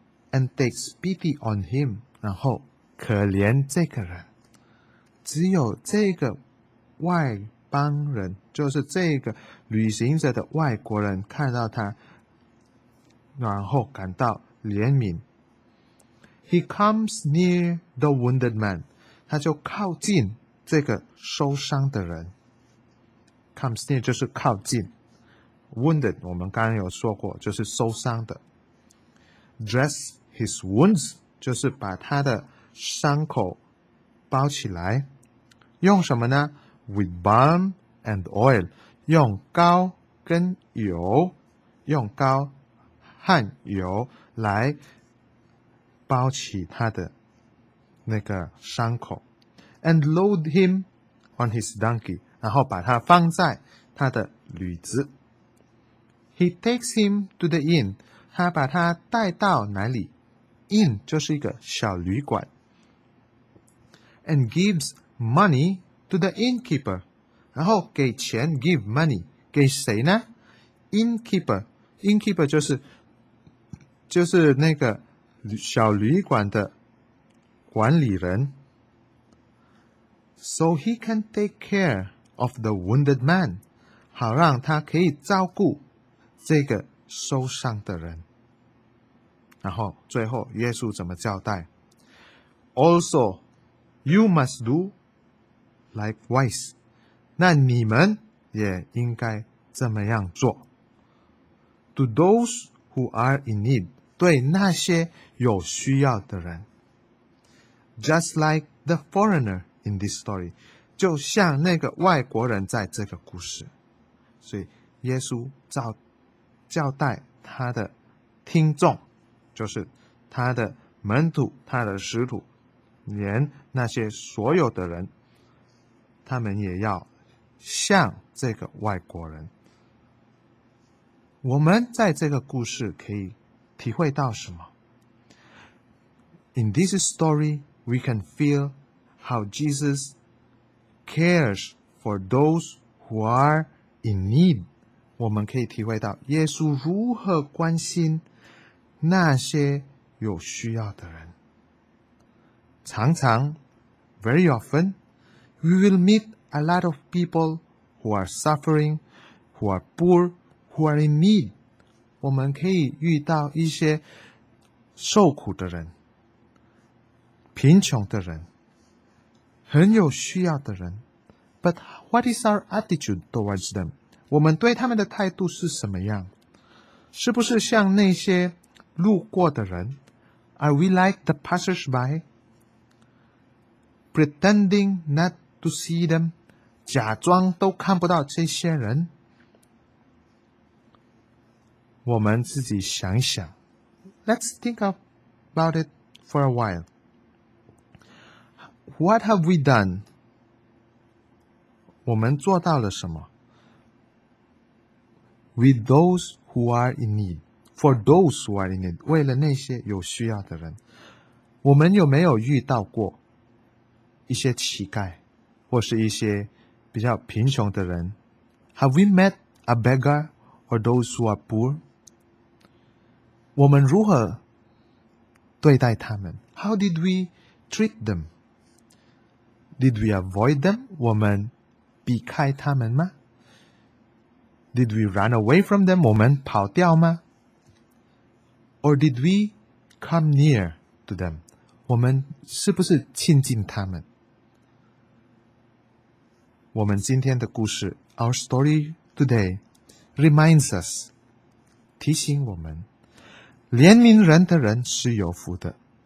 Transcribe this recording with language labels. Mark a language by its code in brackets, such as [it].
[en] ， and takes pity on him, [zh] 然后可怜这个人。只有这个外邦人，就是这个旅行者的外国人看到他，然后感到怜悯。 [en] He comes near the wounded man. [zh] 他就靠近这个受伤的人。 Comes near 就是靠近。 Wounded 我们刚刚有说过就是受伤的。 [en] Dress his wounds [zh] 就是把他的伤口包起来。用什么呢？ [en] With balm and oil， [zh] 用膏跟油，用膏和油来包起他的那个伤口。 [en] And load him on his donkey， [zh] 然后把他放在他的驴子。 [en] He takes him to the inn， [zh] 他把他带到哪里？ Inn 就是一个小旅馆。 [en] And gives money to the innkeeper， [zh] 然后给钱。 Give money 给谁呢？ Innkeeper， innkeeper 就是那个小旅馆的管理人。 [en] So he can take care of the wounded man， [zh] 好让他可以照顾这个受伤的人。然后最后耶稣怎么交代？ [en] Also you must do likewise， [zh] 那你们也应该这么样做。 [en] To those who are in need， [zh] 对那些有需要的人。 [en] Just like the foreigner in this story， [zh] 就像那个外国人在这个故事。所以耶稣交代他的听众，就是他的门徒，他的使徒，连那些所有的人，他们也要像这个外国人。我们在这个故事可以体会到什么？ [en] In this story, we can feel how Jesus cares for those who are in need. [zh] 我们可以体会到耶稣如何关心那些有需要的人。常常 [en] very often, we will meet a lot of people who are suffering, who are poor, who are in need. [zh] 我们可以遇到一些受苦的人，贫穷的人，很有需要的人。 [en] But what is our attitude towards them? [zh] 我们对他们的态度是什么样？是不是像那些路过的人？ [en] Are we like the passersby? Pretending not to see them， [zh] 假装都看不到这些人。我们自己想一想。 [en] Let's think about it for a while. What have we done? [zh] 我们做到了什么？ [en] With those who are in need， for those who are in need， [zh] 为了那些有需要的人。我们有没有遇到过一些乞丐，或是一些比较贫穷的人？ [en] Have we met a beggar or those who are poor? [zh] 我们如何对待他们？ [en] How did we treat them? Did we avoid them? [zh] 我们避开他们吗？ [en] Did we run away from them? [zh] 我们跑掉吗？ [en] Or did we come near to them? [zh] 我们是不是亲近他们？我们今天的故事 ， [en] Our story today reminds us， [zh] 提醒我们，怜悯人的人是有福的。